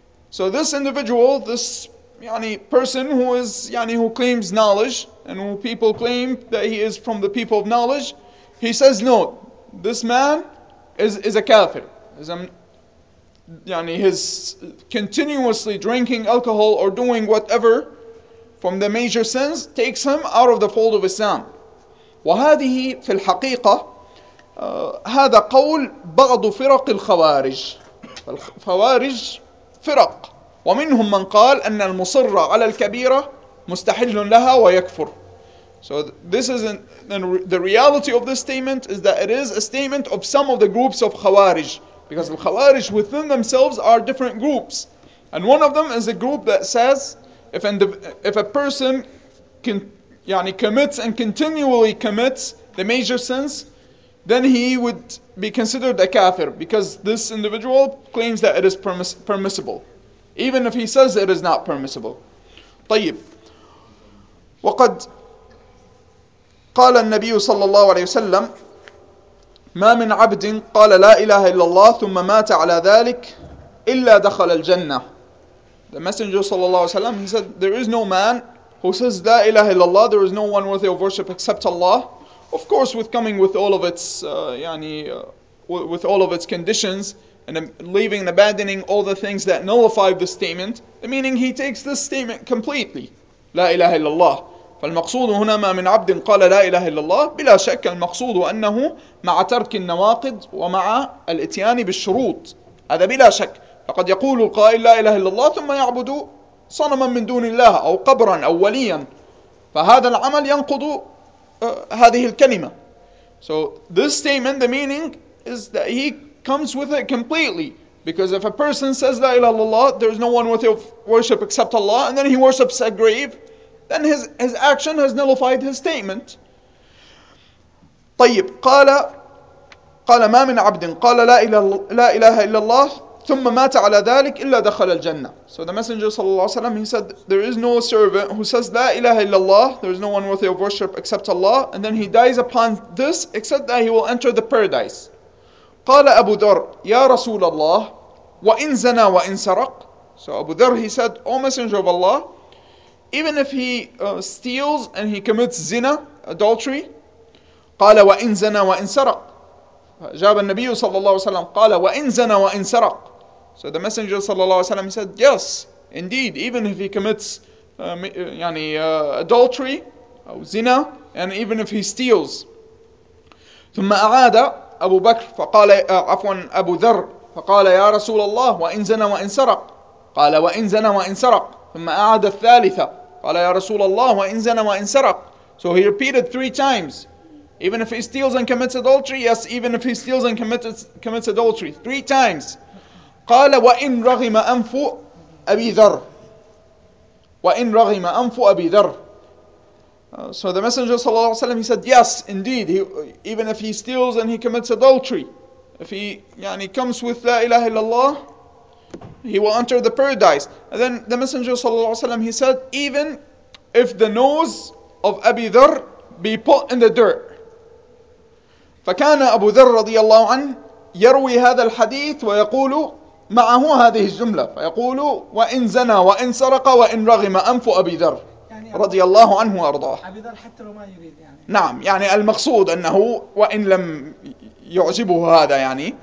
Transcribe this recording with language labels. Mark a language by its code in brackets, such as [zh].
[en] So this individual, this يعني person who is يعني who claims knowledge and who people claim that he is from the people of knowledge, he says no, this man is a kafir, is a يعني his continuously drinking alcohol or doing whatever from the major sins takes him out of the fold of Islam. [ar] وهذه في الحقيقة هذا قول بعض فرق الخوارج. الخوارج فرق، ومنهم من قال أن المصر على الكبيرة مستحل لها ويكفر. [en] So this is the reality of this statement is that it is a statement of some of the groups of خوارج. Because the Khawarij within themselves are different groups. And one of them is a group that says, if a person can يعني commits and continually commits the major sins, then he would be considered a kafir. Because this individual claims that it is permissible. Even if he says it is not permissible. [ar] طيب. وقد قال النبي صلى الله عليه وسلم ما من عبد قال لا إله إلا الله ثم مات على ذلك إلا دخل الجنة. [en] The Messenger صلى الله عليه وسلم, he said, there is no man who says [ar] لا إله إلا الله, [en] there is no one worthy of worship except Allah. Of course, with coming with all of its with all of its conditions and leaving and abandoning all the things that nullify the statement, meaning he takes this statement completely. [ar] لا إله إلا الله. فالمقصود هنا ما من عبد قال لا إله إلا الله، بلا شك المقصود أنه مع ترك النواقض ومع الإتيان بالشروط، هذا بلا شك. فقد يقول القائل لا إله إلا الله ثم يعبد صنما من دون الله أو قبرا أو وليا، فهذا العمل ينقض هذه الكلمة. [en] So this statement, the meaning is that he comes with it completely. Because if a person says [ar] la ilaha illallah, [en] there is no one worthy of worship except Allah, and then he worships a grave, then his action has nullified his statement. [ar] طيب قال ما من عبد قال لا إله إلا الله ثم مات على ذلك إلا دخل الجنة. [en] So the Messenger صلى الله عليه وسلم, he said there is no servant who says [ar] لا إله إلا الله, [en] there is no one worthy of worship except Allah, and then he dies upon this except that he will enter the paradise. [ar] قال أبو ذر يا رسول الله وإن زنا وإن سرق. [en] So Abu Dhar, he said, O Messenger of Allah, even if he steals and he commits zina, adultery. [ar] قال وإن زنا وإن سرق. جاب النبي صلى الله عليه وسلم قال وإن زنا وإن سرق. [en] So the Messenger صلى الله عليه وسلم said, yes, indeed, even if he commits adultery [ar] أو زنا, [en] and even if he steals. [ar] ثم أعاد أبو بكر فقال عفوا أبو ذر فقال يا رسول الله وإن زنا وإن سرق. قال وإن زنا وإن سرق. ثم أعاد الثالثة قال يا رسول الله وإن زنا وإن سرق. [en] So he repeated three times. Even if he steals and commits adultery, yes, even if he steals and commits adultery. Three times. [ar] قال وإن رغم أنف أبي ذر. وإن رغم أنف أبي ذر. [en] So the Messenger صلى الله عليه وسلم, he said, yes, indeed, even if he steals and he commits adultery, if he comes with [ar] لا إله إلا الله, [en] he will enter the paradise. And then the Messenger صلى الله عليه وسلم, he said, even if the nose of أبي ذر be put in the dirt. [ar] فكان أبو ذر رضي الله عنه يروي هذا الحديث ويقول معه هذه الجملة فيقول وإن زنا وإن سرق وإن رغم أنف أبي ذر رضي الله عنه وأرضاه. أبي ذر حتى لو ما يريد نعم المقصود أنه وإن لم يعجبه هذا